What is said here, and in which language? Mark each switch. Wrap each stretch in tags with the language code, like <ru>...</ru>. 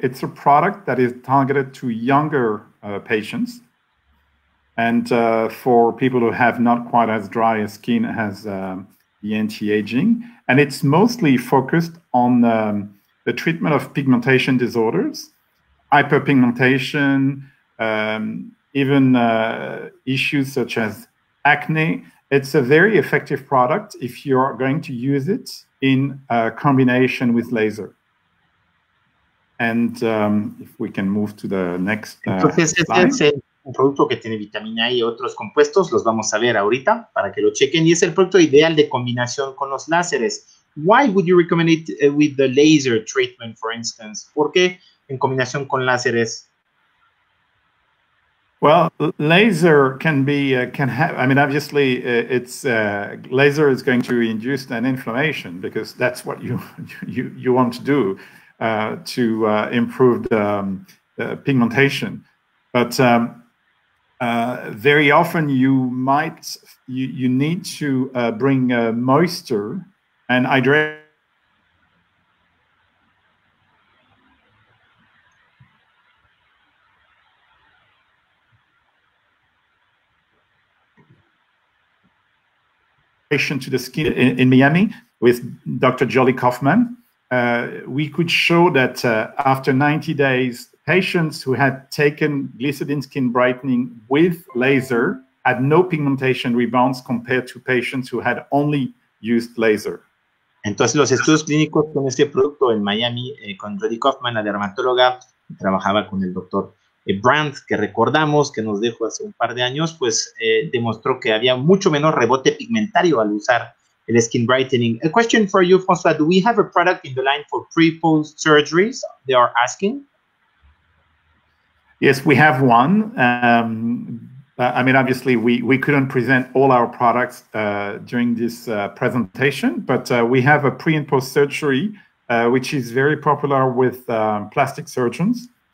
<en>It's a product that is targeted to younger patients and for people who have not quite as dry a skin as the anti-aging, and it's mostly focused on the treatment of pigmentation disorders, hyperpigmentation, even issues such as acne. It's a very effective product if you're going to use it in combination with laser. And if we can move to the next</en> <es>entonces, slide. Entonces, es un producto que tiene vitamina E y otros compuestos. Los vamos a ver ahorita para que lo chequen. Y es el producto ideal de combinación con los láseres.</es> <en>Why would you recommend it with the laser treatment, for instance?</en> <es>¿Por qué en combinación con láseres?</es> <en>Well, laser can be, can have, I mean, obviously, it's, laser is going to induce an inflammation because that's what you want to do to improve the pigmentation. But very often you might, you need to bring moisture and hydration. To the skin in Miami with Dr. Jolly Kaufman, we could show that after 90 days, patients who had taken glycidin skin brightening with laser had no pigmentation rebounds compared to patients who had only used laser.</en> <es>Entonces, los estudios clínicos con este producto en Miami con Jolly Kaufman, la dermatóloga, trabajaba con el doctor Brandt, que recordamos que nos dejó hace un par de años, pues demostró que había mucho menor rebote pigmentario al usar el skin brightening.</es> <en>A question for you, François, do we have a product in the line for pre-post surgeries? They are asking. Yes, we have one. I mean, obviously, we couldn't present all our products during this presentation, but we have a pre and post surgery, which is very popular with plastic surgeons.</en>